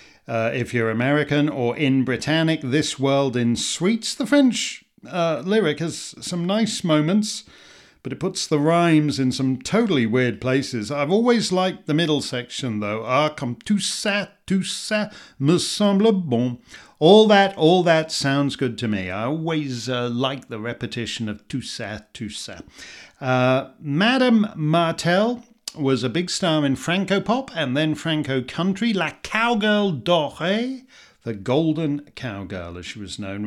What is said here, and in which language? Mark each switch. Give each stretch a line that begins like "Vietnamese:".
English: If you're American or in Britannic, This World in Sweets. The French lyric has some nice moments, but it puts the rhymes in some totally weird places. I've always liked the middle section, though.
French: Ah, comme tout ça, me semble bon.
English: All that sounds good to me. I always like the repetition of
French: tout ça, tout ça.
English: Madame Martel was a big star in Franco pop and then Franco country.
French: La cowgirl dorée,
English: the golden cowgirl, as she was known.